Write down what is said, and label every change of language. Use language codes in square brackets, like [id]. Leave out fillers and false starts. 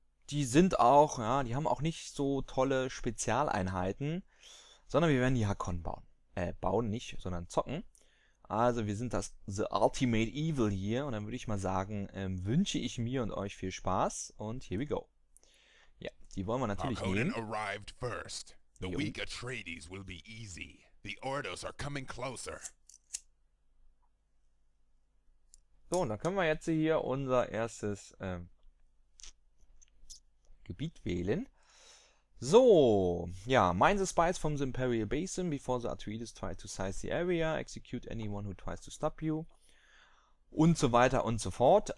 [de] Die sind auch, ja, die haben auch nicht so tolle Spezialeinheiten. Sondern wir werden die Harkonnen bauen. Bauen nicht, sondern zocken. Also wir sind das The Ultimate Evil hier und dann würde ich mal sagen, wünsche ich mir und euch viel Spaß und [en] here we go. [de] Ja, die wollen wir natürlich Harkonnen nehmen. [en] Arrived first. The weak Atreides will be easy. The Ordos are coming closer. [de] So, und dann können wir jetzt hier unser erstes Gebiet wählen. So, ja, [en] mine the spice from the Imperial Basin before the Atreides try to seize the area, execute anyone who tries to stop you, [de] und so weiter und so fort.